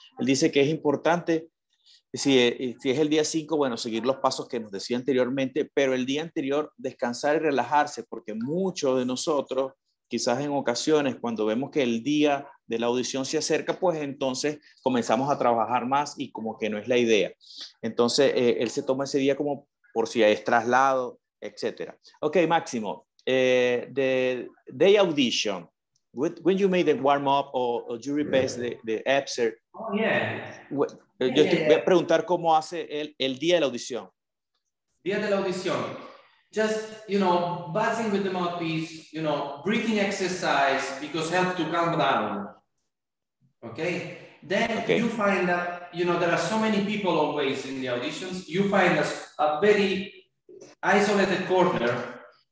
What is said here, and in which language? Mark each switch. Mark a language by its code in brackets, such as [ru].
[es] Él dice que es importante, si es el día 5, bueno, seguir los pasos que nos decía anteriormente, pero el día anterior descansar y relajarse, porque muchos de nosotros, quizás en ocasiones, cuando vemos que el día de la audición se acerca, pues entonces comenzamos a trabajar más y como que no es la idea. Entonces, él se toma ese día como por si es traslado, etc. Ok, Máximo. [en] The day audition, when you made the warm-up or you rehearsed the excerpt. Oh, yeah. [es] Voy a preguntar cómo hace el día de la audición. Día de la audición. [en] Just, you know, buzzing with the mouthpiece, you know, breathing exercise, because help to calm down. Okay? Then okay. You find that, you know, there are so many people always in the auditions. You find a very isolated corner.